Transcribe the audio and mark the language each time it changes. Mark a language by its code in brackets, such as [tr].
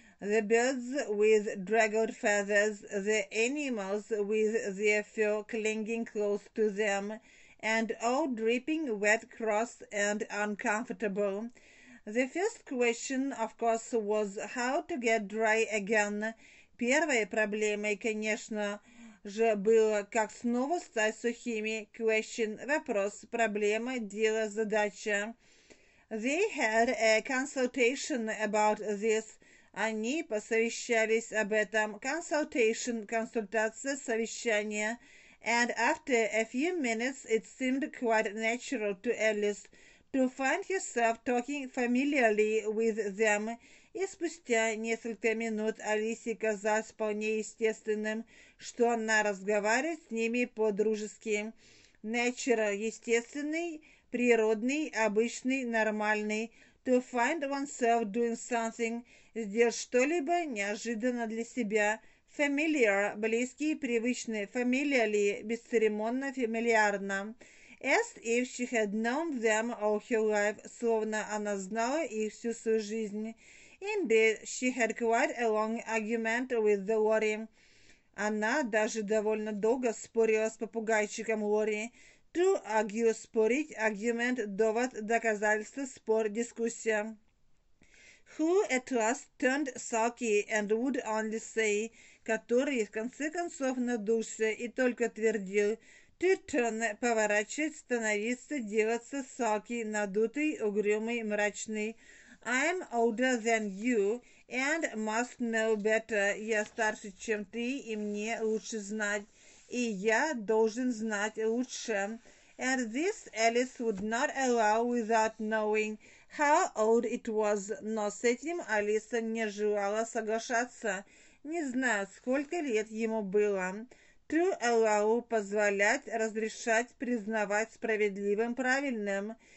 [en] The birds with draggled feathers, the animals with their fur clinging close to them, and all dripping wet, cross, and uncomfortable. The first question, of course, was how to get dry again. [ru] Первой проблемой, конечно же, было, как снова стать сухими. Question – вопрос, проблема, дело, задача. [en] They had a consultation about this. [ru] Они посовещались об этом. Consultation – консультация, совещание. [en] And after a few minutes, it seemed quite natural to Alice to find herself talking familiarly with them. [ru] И спустя несколько минут Алисе казалось вполне естественным, что она разговаривает с ними по-дружески. Natural – естественный, природный, обычный, нормальный. [en] To find oneself doing something – [ru] сделать что-либо неожиданно для себя. Familiar – близкий, привычный. Familiarly – бесцеремонно, фамильярно. [en] As if she had known them all her life – [ru] словно она знала их всю свою жизнь. [en] Indeed, she had quite a long argument with the Lori. [ru] Она даже довольно долго спорила с попугайчиком Лори. To argue – спорить, argument – довод, доказательство, спор, дискуссия. [en] Who at last turned sulky and would only say, [ru] который в конце концов надулся и только твердил, to turn – поворачивать, становиться, делаться sulky, надутый, угрюмый, мрачный. [en] I'm older than you and must know better. [ru] Я старше, чем ты, и мне лучше знать. И я должен знать лучше. [en] And this Alice would not allow without knowing how old it was. [ru] Но с этим Алиса не желала соглашаться. Не знаю, сколько лет ему было. To allow – позволять, разрешать, признавать справедливым, правильным.